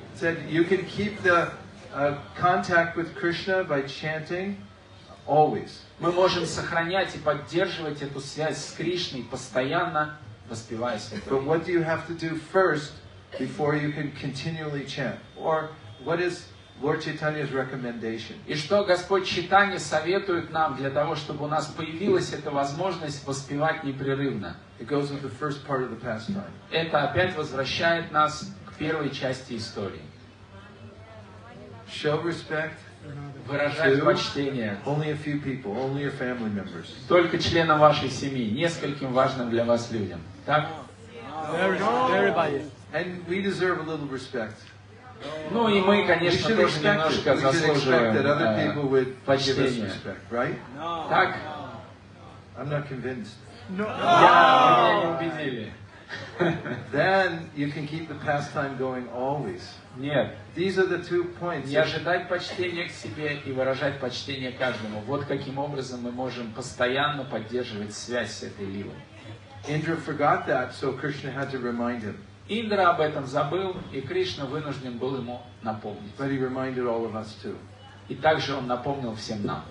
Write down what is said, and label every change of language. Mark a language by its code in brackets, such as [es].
[en] Said you can keep the contact with Krishna by chanting always. [ru] Мы можем сохранять и поддерживать эту связь с Кришной постоянно. [en] But what do you have to do first before you can continually chant? Or what is Lord Chaitanya's recommendation? [ru] И что Господь Чайтанья советует нам для того, чтобы у нас появилась эта возможность воспевать непрерывно? [en] It goes with the first part of the pastime. [ru] Это опять возвращает нас к первой части истории. [en] Show respect. [ru] Выражать почтение [en] only a few people, only your family members. [ru] Только членам вашей семьи, нескольким важным для вас людям. Так? [en] Everybody. And we deserve a little respect. [ru] Ну и мы, конечно, тоже немножко заслуживаем почтения. [en] Right? No. [ru] Так? [en] I'm not convinced. No. [ru] Меня не убедили. [en] Then you can keep the pastime going always. [ru] Нет. [en] These are the two points. [ru] Не ожидать почтения к себе и выражать почтение каждому. Вот каким образом мы можем постоянно поддерживать связь с этой лилой. [en] Indra forgot that, so Krishna had to remind him. [ru] Индра об этом забыл, и Кришна вынужден был ему напомнить. [en] But he reminded all of us too. [ru] И также он напомнил всем нам.